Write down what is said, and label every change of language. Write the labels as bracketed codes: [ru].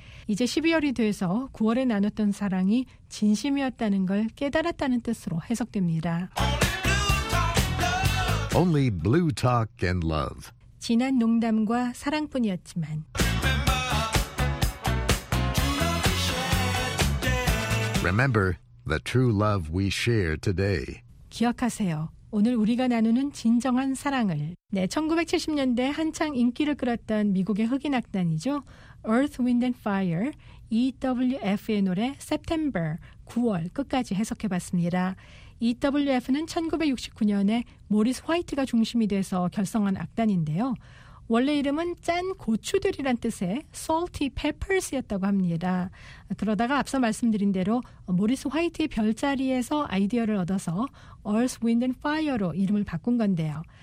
[ko] 이제 12월이 돼서 9월에 나눴던 사랑이 진심이었다는 걸 깨달았다는 뜻으로 해석됩니다. [en] Only blue talk and love. [ko] 진한 농담과 사랑뿐이었지만 [en] Remember the true love we share today. [ko] 기억하세요. 오늘 우리가 나누는 진정한 사랑을. 네, 1970년대 한창 인기를 끌었던 미국의 흑인 악단이죠. Earth, Wind and Fire, EWF의 노래 September, 9월 끝까지 해석해봤습니다. EWF는 1969년에 모리스 화이트가 중심이 돼서 결성한 악단인데요. 원래 이름은 짠 고추들이란 뜻의 Salty Peppers였다고 합니다. 그러다가 앞서 말씀드린 대로 모리스 화이트의 별자리에서 아이디어를 얻어서 Earth, Wind and Fire로 이름을 바꾼 건데요.